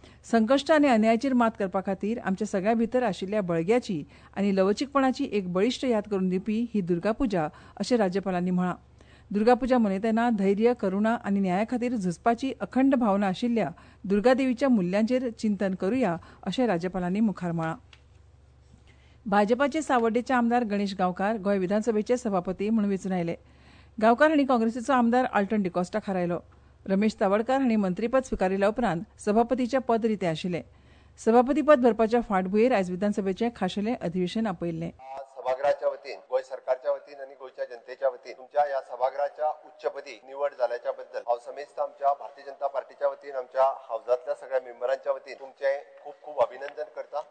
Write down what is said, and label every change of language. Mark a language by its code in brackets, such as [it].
[kok] संकश्ट आनी अन्यायाचेर मात करपा खातीर आमच्या सगळ्या भितर आशिल्ल्या बळग्याची आनी लवचीकपणाची एक बळिश्ट याद करून दिवपी ही दुर्गा पुजा अशें राज्यपालांनी म्हळां. दुर्गा पुजा मनयतना धैर्य, करुणा आनी न्याया खातीर झुजपाची अखंड भावना आशिल्ल्या दुर्गा देवीच्या मुल्यांचेर चिंतन करुया अशें राज्यपालांनी मुखार म्हळां. भाजपाचे सावड्डेचे आमदार गणेश गांवकार गोय विधानसभेचे सभापती म्हणून वेचून आयले. गांवकार हांणी काँग्रेसीचो आमदार आल्टन डिकॉस्टाक हारयलो. रमेश सावडकर हांणी मंत्रीपद स्विकारिल्या उपरांत सभापतीचे पद रिते आशिले. सभापतीपद भरपाच्या फाटभुंयेर आयज विधानसभेचे खाशेले अधिवेशन आपयल्ले. [mr] सभागृहाच्या वतीन, गोय सरकारच्या वतीन आणि गोयच्या जनतेच्या वतीन तुमच्या या सभागृहाच्या उच्चपदी निवड झाल्याच्या बद्दल हा समेस्त आमच्या भारतीय जनता पार्टीच्या वतीन आमच्या हौजातल्या सगळ्या मेंबरांच्या वतीन तुमचे खूप खूप अभिनंदन करता.